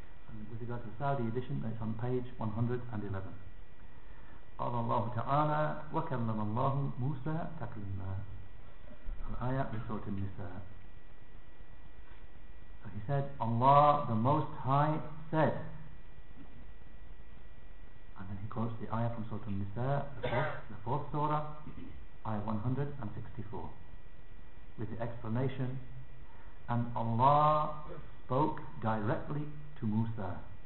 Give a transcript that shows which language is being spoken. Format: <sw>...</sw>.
<en>And with regard to the Saudi edition, it's on page 111.</en> <ar>قال الله تعالى وكلم الله موسى تكليما. الآية من سورة النساء.</ar> <en>So he said, Allah the Most High said. And then he quotes the ayah from Surah An-Nisa, the fourth surah, ayah 164, with the explanation, and Allah spoke directly to Musa.</en>